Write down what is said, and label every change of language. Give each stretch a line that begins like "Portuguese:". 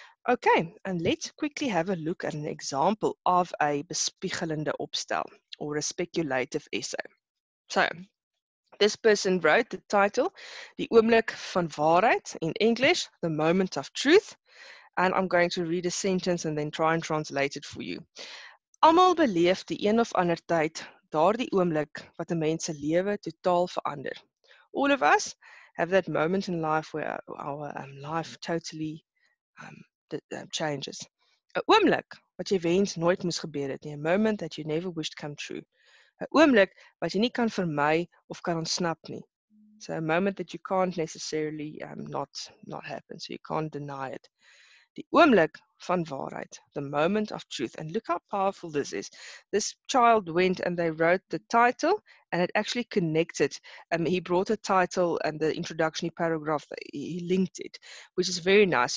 English: Okay, and let's quickly have a look at an example of a
Afrikaans: bespiegelende opstel
English: or a speculative essay. So, this person wrote the title,
Afrikaans: Die Oomblik van Waarheid,
English: in English, The Moment of Truth. And I'm going to read a sentence and then try and translate it for you.
Afrikaans: Almal beleef die een of ander tyd, daardie oomblik wat 'n mens se lewe totaal verander.
English: All of us have that moment in life where our life totally changes.
Afrikaans: 'N oomblik wat jy wens nooit moes gebeur het nie,
English: a moment that you never wished come true.
Afrikaans: 'N oomblik wat jy nie kan vermy of kan ontsnap nie.
English: So a moment that you can't necessarily not happen, so you can't deny it.
Afrikaans: Die oomblik van waarheid,
English: the moment of truth. And look how powerful this is. This child went and they wrote the title and it actually connected. He brought the title and the introductory paragraph, he linked it, which is very nice.